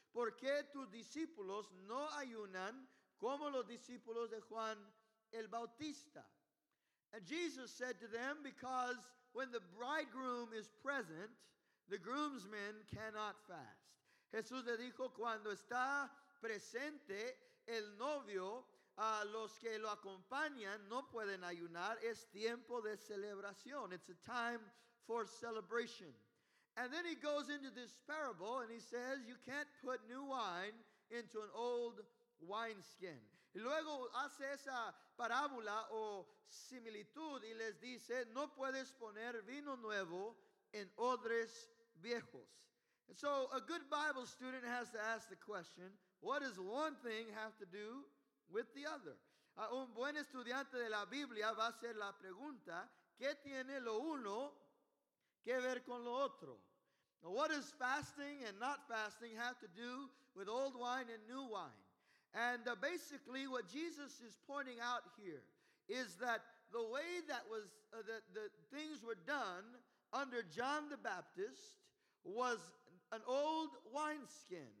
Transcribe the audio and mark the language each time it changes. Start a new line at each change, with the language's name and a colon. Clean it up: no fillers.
Spanish: ¿Por qué tus discípulos no ayunan como los discípulos de Juan el Bautista?"
English: And Jesus said to them, "Because when the bridegroom is present, the groomsmen cannot fast."
Spanish: Jesús le dijo, cuando está presente el novio, los que lo acompañan no pueden ayunar. Es tiempo de celebración.
English: It's a time for celebration. And then he goes into this parable and he says, you can't put new wine into an old wineskin.
Spanish: Y luego hace esa parábola o similitud y les dice, no puedes poner vino nuevo en odres viejos.
English: And so a good Bible student has to ask the question, what does one thing have to do with the other?
Spanish: Un buen estudiante de la Biblia va a hacer la pregunta, ¿qué tiene lo uno que ver con lo otro?
English: Now, what does fasting and not fasting have to do with old wine and new wine? And basically what Jesus is pointing out here is that the way that was the things were done under John the Baptist was an old wineskin.